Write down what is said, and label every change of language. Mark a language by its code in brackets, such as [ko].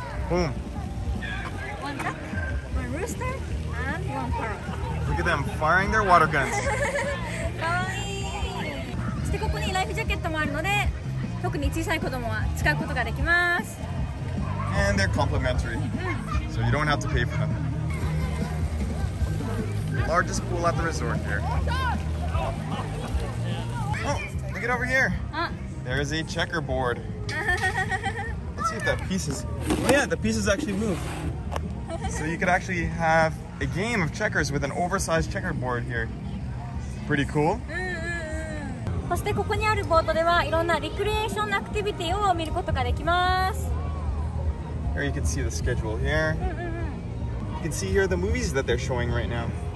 [en] うん。 One duck, one rooster, and one parrot. Look at them firing their water guns. [ja] かわいい。そしてここにライフジャケットもあるので、特に小さい子供は使うことができます。 [en] And they're complimentary. So you don't have to pay for them. Largest pool at the resort here. Oh, look it over here. There is a checkerboard. Let's see if that piece is. Oh, yeah, the pieces actually move. So you could actually have a game of checkers with an oversized checkerboard here. Pretty cool. [ja] そしてここにあるボートではいろんなリクリエーションアクティビティを見ることができます。 [en] Here you can see the schedule here. You can see here the movies that they're showing right now.